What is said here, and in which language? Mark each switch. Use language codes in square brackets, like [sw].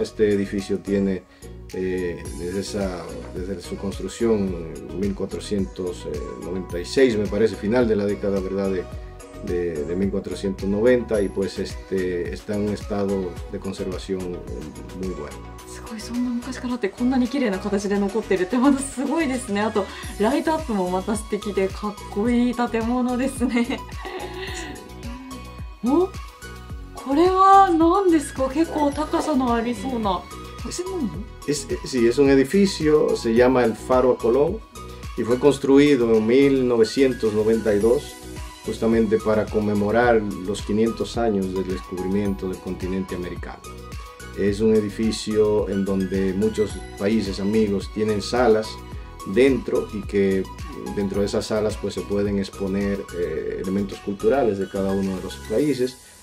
[es] Este edificio tiene, desde su construcción, 1496, me parece, final de la década, ¿verdad?, de 1490, y pues está en un estado de conservación muy bueno. [ja] すごい、そんな昔からってこんなに綺麗な形で残ってるってまたすごいですね。あとライトアップもまた素敵でかっこいい建物ですね。お、これは何ですか？結構高さのありそうな建物？ [es] Sí, es un edificio, se llama el Faro a Colón y fue construido en 1992 justamente para conmemorar los 500 años del descubrimiento del continente americano. Es un edificio en donde muchos países amigos tienen salas dentro y que dentro de esas salas pues se pueden exponer elementos culturales de cada uno de los países.